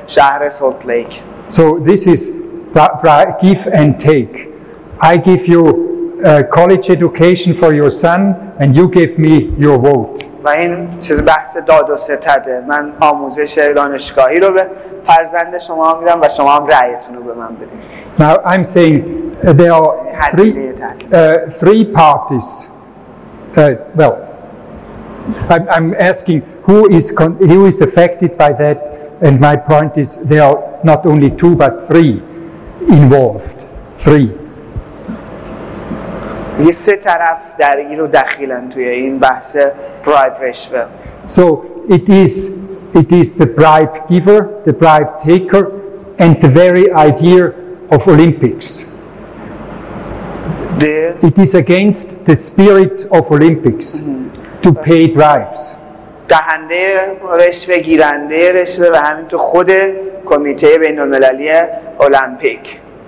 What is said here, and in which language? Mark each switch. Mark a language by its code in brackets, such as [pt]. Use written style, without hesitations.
[en] So this is give and take. I give you a college education for your son, and you give me your vote. [fa] و این چیز بحث داد و ستده. من آموزش دانشگاهی رو به فرزند شما میدم و شما هم رأیتون رو به من بدید. [en] Now I'm saying there are three parties. I'm asking who is affected by that, and my point is there are not only two but three involved. Three. [fa] یه سه طرف درگیر و دخیلن توی این بحث bribe رشوه. [en] So it is the bribe giver, the bribe taker, and the very idea of Olympics. It is against the spirit of Olympics to pay bribes. [fa] دهنده رشوه، گیرنده رشوه و همینطور خود کمیته بین‌المللی المپیک.